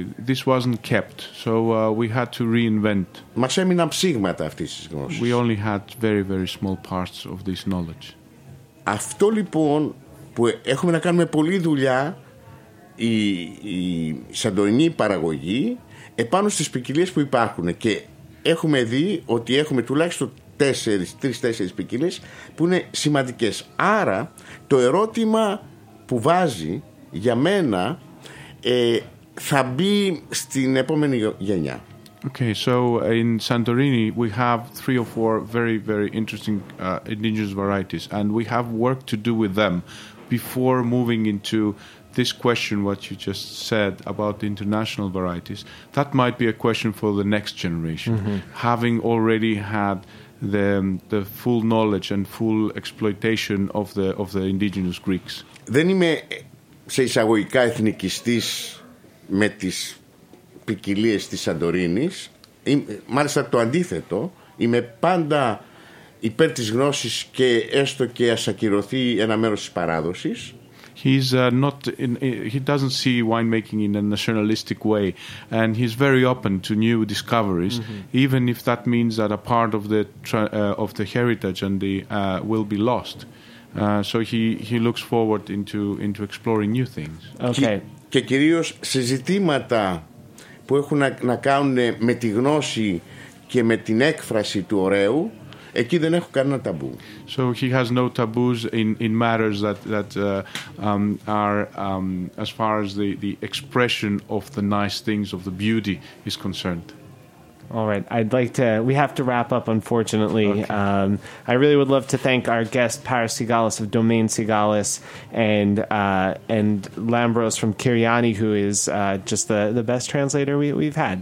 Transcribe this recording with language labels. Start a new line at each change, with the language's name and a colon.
English: This wasn't kept, so we had to reinvent.
Greek: Μας έμειναν ψήγματα αυτής της γνώσης.
English: We only had very, very small parts of this knowledge.
Greek: Αυτό λοιπόν που έχουμε να κάνουμε πολλή δουλειά, η σαντορινή παραγωγή, επάνω στις ποικιλίες που υπάρχουν, και έχουμε δει ότι έχουμε τουλάχιστον τρεις-τέσσερις ποικιλίες που είναι σημαντικές. Άρα το ερώτημα που βάζει για μένα, θα μπει στην επόμενη γενιά.
English: Okay, so in Santorini, we have three or four very, very interesting indigenous varieties, and we have work to do with them before moving into this question, what you just said about the international varieties. That might be a question for the next generation, mm-hmm. having already had the full knowledge and full exploitation of the indigenous Greeks.
Greek: Δεν είμαι σε εισαγωγικά εθνικιστής με τις ποικιλίες της Σαντορίνης. Μάλιστα το αντίθετο. Είμαι πάντα υπέρ της γνώσης και έστω και ας ακυρωθεί ένα μέρος της παράδοσης.
English: He's not. He doesn't see winemaking in a nationalistic way, and he's very open to new discoveries, mm-hmm. even if that means that a part of the heritage and the will be lost. So he looks forward into exploring new things. Okay.
Greek: Και κυρίως σε ζητήματα που έχουν να κάνουν με τη γνώση και με την έκφραση του ωραίου. Εκεί δεν έχω κανένα ταμπού.
English: So he has no taboos in matters that are as far as the expression of the nice things of the beauty is concerned. All right, we have to wrap up, unfortunately. Okay. I really would love to thank our guest, Paris Sigalis of Domaine Sigalis, and Lambros from Kiriani, who is just the best translator we've had.